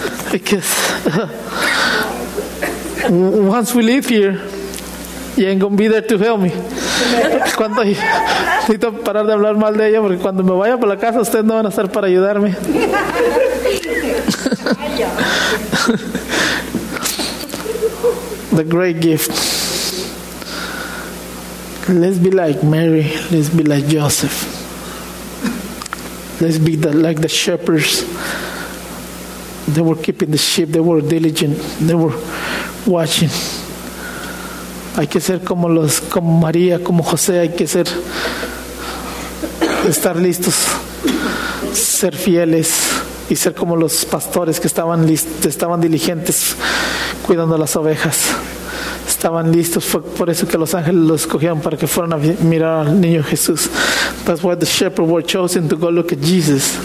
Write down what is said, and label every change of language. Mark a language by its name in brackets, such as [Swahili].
[English] Because once we leave here, you ain't gonna be there to help me. [Spanish] Cuando necesito parar de hablar mal de ella, porque cuando me vaya para la casa, ustedes no van a estar para ayudarme. [English] the great gift. Let's be like Mary. Let's be like Joseph. Let's be like the shepherds. They were keeping the sheep. They were diligent. They were watching. [Spanish] Hay que ser como los, como María, como José. Hay que ser, estar listos, ser fieles y ser como los pastores que estaban listos, estaban diligentes cuidando las ovejas. Estaban listos. Fue por eso que los ángeles los escogieron para que fueran a mirar al niño Jesús. [English] That's why the shepherds were chosen to go look at Jesus.